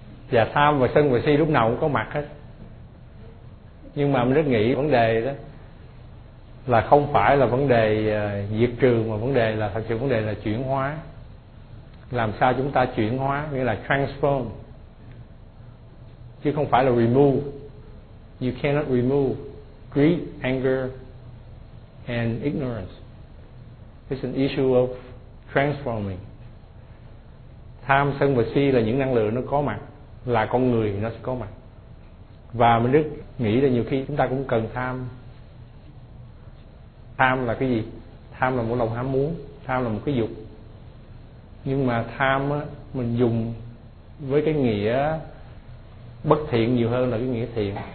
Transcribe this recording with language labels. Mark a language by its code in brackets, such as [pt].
[vi] Và tham và sân và si lúc nào cũng có mặt hết. Nhưng mà mình rất nghĩ vấn đề đó là không phải là vấn đề diệt trừ, mà vấn đề là thật sự vấn đề là chuyển hóa. Làm sao chúng ta chuyển hóa, nghĩa là transform, chứ không phải là remove. [en] You cannot remove greed, anger and ignorance. It's an issue of transforming. [vi] Tham, sân và si là những năng lượng nó có mặt, là con người thì nó sẽ có mặt. Và mình rất nghĩ là nhiều khi chúng ta cũng cần tham. Tham là cái gì? Tham là một lòng ham muốn, tham là một cái dục. Nhưng mà tham á, mình dùng với cái nghĩa bất thiện nhiều hơn là cái nghĩa thiện.